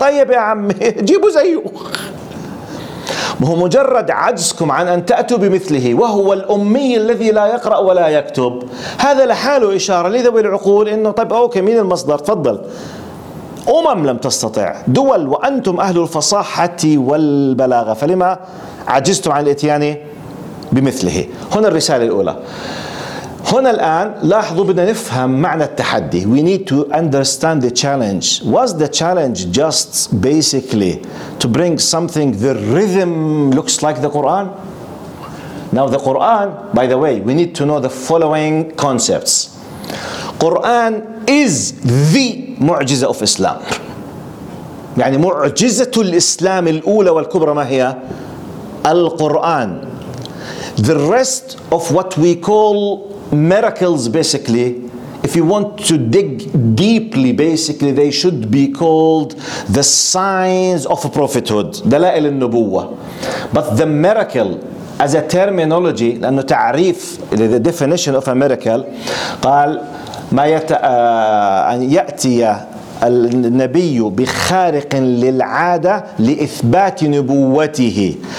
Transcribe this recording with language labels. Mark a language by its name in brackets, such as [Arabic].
[Arabic] طيب يا عمي جيبوا زيه، مجرد عجزكم عن أن تأتوا بمثله وهو الأمي الذي لا يقرأ ولا يكتب، هذا لحاله إشارة لذوي العقول أنه طيب أوكي مين المصدر، تفضل. أمم لم تستطع، دول وأنتم أهل الفصاحة والبلاغة، فلما عجزتم عن الاتيان بمثله؟ هنا الرسالة الأولى. هنا الآن لاحظوا بدنا نفهم معنى التحدي. [English] We need to understand the challenge. Was the challenge just basically to bring something the rhythm looks like the Quran? Now the Quran, by the way, we need to know the following concepts. Quran is the معجزة of Islam. [Arabic] يعني معجزة الإسلام الأولى والكبرى ما هي؟ القرآن. [English] The rest of what we call miracles, basically, if you want to dig deeply, basically, they should be called the signs of prophethood, دلائل النبوة. But the miracle, as a terminology, [Arabic] لأنه تعريف, [English] the definition of a miracle, [Arabic] قال ما يأتي النبي بخارق للعادة لإثبات نبوته.